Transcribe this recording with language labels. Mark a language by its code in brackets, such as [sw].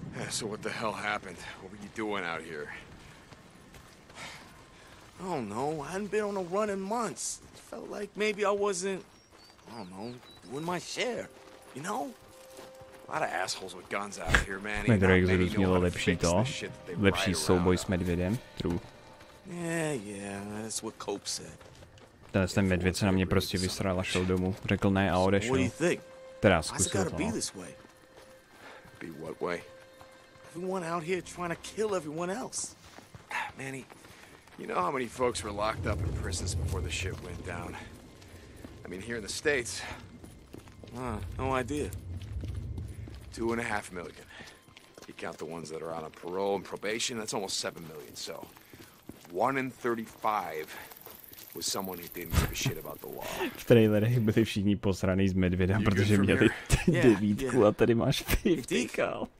[en] So what the hell happened? What were you doing out here? I don't know. I hadn't been on a run in months. Felt like maybe I wasn't, I don't know, doing my share. You know? A lot of assholes with guns out here, man. [cs] Lepší souboj s medvědem, true. [en] Yeah, that's what Cope said. [cs] Tenhle ten medvěd se na mě prostě vysral a šel domů. Řekl ne a odešel. Teda zkusil to. [en] Be what way? Everyone out here trying to kill everyone else. Manny, you know how many folks were locked up in prisons before the shit went down? I mean, here in the States. No idea. 2.5 million. You count the ones that are on a parole and probation, that's almost 7 million. So, 1 in 35. With someone who didn't give a shit about the law. [cs] V trailerech byli všichni posraný z medvěda, protože měli devítku a tady máš 50 cal.